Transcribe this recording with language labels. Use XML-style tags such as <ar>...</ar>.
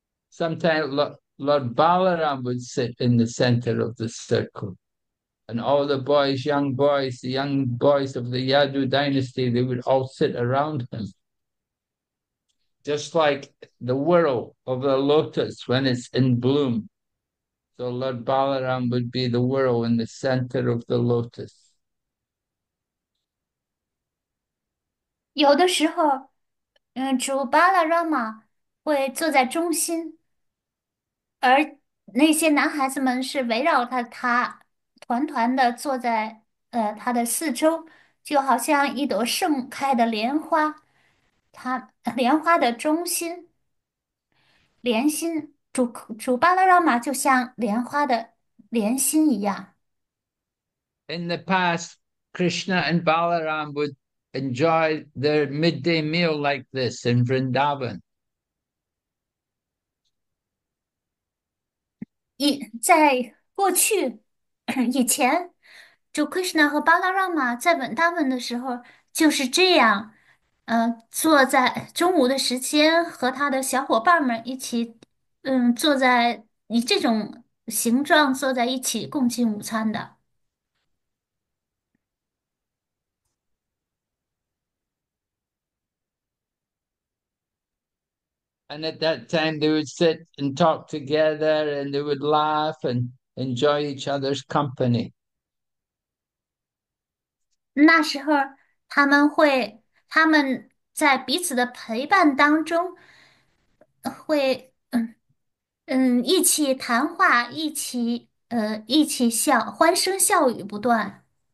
<en>Sometimes Lord Balaram would sit in the center of the circle, and all the boys, young boys, the young boys of the Yadu dynasty, they would all sit around him. Just like the whorl of the lotus when it's in bloom. So Lord Balaram would be the whorl in the center of the lotus.</en> <zh>有的时候，主巴拉拉玛会坐在中心，而那些男孩子们是围绕着他，团团的坐在他的四周，就好像一朵盛开的莲花，他莲花的中心，莲心，主巴拉拉玛就像莲花的莲心一样。</zh> <en>In the past, Krishna and Balaram would enjoy their midday meal like this in Vrindavan.</en> <zh>在过去以前，主 Krishna 和巴拉拉玛在稳大稳的时候就是这样，坐在中午的时间和他的小伙伴们一起，坐在以这种形状坐在一起共进午餐的。</zh> <en>And at that time, they would sit and talk together and they would laugh and enjoy each other's company.</en> <zh>那时候，他们在彼此的陪伴当中，会一起谈话，一起笑，欢声笑语不断。</zh>